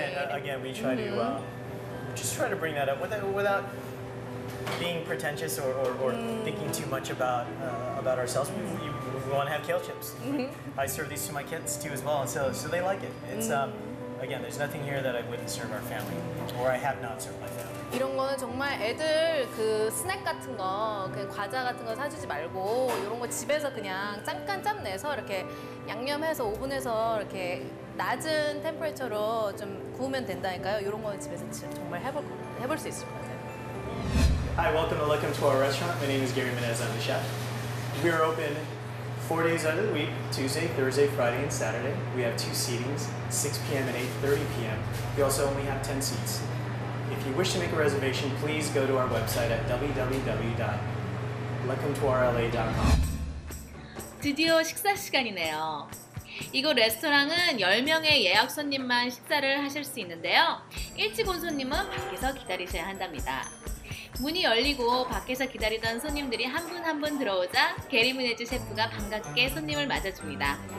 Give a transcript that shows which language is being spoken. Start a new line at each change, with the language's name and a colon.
English: Again, we try to just try to bring that up without being pretentious or thinking too much about ourselves. We want to have kale chips. Mm-hmm. I serve these to my kids too as well, so they like it. Again, there's nothing here that I wouldn't serve our family, or I have not served my family.
Korean: 이런 거는 정말 애들 그 스낵 같은 거, 그냥 과자 같은 거 사주지 말고 이런 거 집에서 그냥 잠깐 짬 내서 이렇게 양념해서 오븐에서 이렇게 낮은 템퍼레처로 좀 구우면 된다니까요. 이런 거는 집에서 정말 해볼 수 있을 것 같아요.
English: Hi, welcome to our restaurant. My name is Gary Menez. I'm the chef. We are open 4 days out of the week, Tuesday, Thursday, Friday, and Saturday. We have two seatings, 6 p.m. and 8:30 p.m. We also only have 10 seats. If you wish to make a reservation, please go to our website at www.lecomtoirla.com.
Korean: 드디어 식사 시간이네요. 이곳 레스토랑은 10명의 예약 손님만 식사를 하실 수 있는데요. 일찍 온 손님은 밖에서 기다리셔야 한답니다. 문이 열리고 밖에서 기다리던 손님들이 한 분 한 분 들어오자 게리 문에즈 셰프가 반갑게 손님을 맞아줍니다.